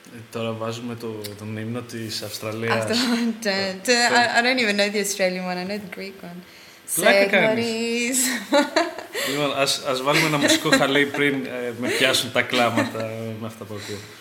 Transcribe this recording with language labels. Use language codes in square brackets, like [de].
[el] Τώρα βάζουμε το ύμνο της Αυστραλίας. Αυτό, [en] I don't even know the Australian one, I know the Greek one. [el] Πλάκα κάνεις. Λοιπόν, ας βάλουμε ένα μουσικό χαλί πριν με πιάσουν τα κλάματα με αυτά που ακούω.